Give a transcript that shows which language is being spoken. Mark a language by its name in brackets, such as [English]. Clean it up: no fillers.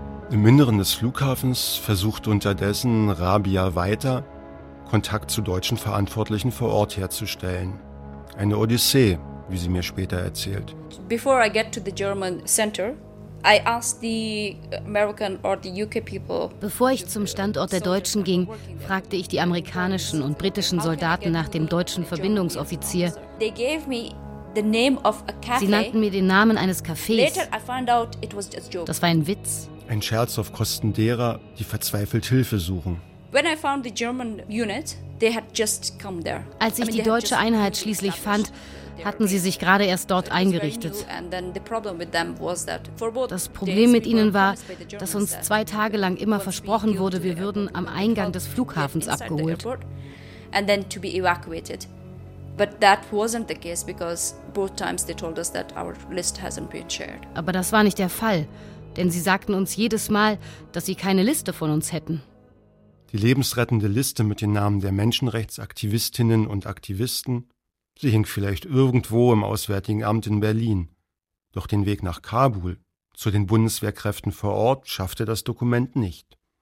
[German] Im Inneren des Flughafens versucht unterdessen Rabia weiter, Kontakt zu deutschen Verantwortlichen vor Ort herzustellen. Eine Odyssee, wie sie mir später erzählt. [English] Before I get to the German center, I asked the American or the UK people. [German] Bevor ich zum Standort der Deutschen ging, fragte ich die amerikanischen und britischen Soldaten nach dem deutschen Verbindungsoffizier. [English] They gave me the name of a cafe. [German] Sie nannten mir den Namen eines Cafés. [English] Later I found out it was just a joke. [German] Das war ein Witz. Ein Scherz auf Kosten derer, die verzweifelt Hilfe suchen. [English] When I found the German unit, they had just come there. [German] Als ich die deutsche Einheit schließlich fand, hatten sie sich gerade erst dort eingerichtet. Das Problem mit ihnen war, dass uns 2 Tage lang immer versprochen wurde, wir würden am Eingang des Flughafens abgeholt. [English] And then to be evacuated. But that wasn't the case because both times they told us that our list hasn't been shared. [German] Aber das war nicht der Fall. Denn sie sagten uns jedes Mal, dass sie keine Liste von uns hätten. Die lebensrettende Liste mit den Namen der Menschenrechtsaktivistinnen und Aktivisten, sie hing vielleicht irgendwo im Auswärtigen Amt in Berlin. Doch den Weg nach Kabul, zu den Bundeswehrkräften vor Ort, schaffte das Dokument nicht.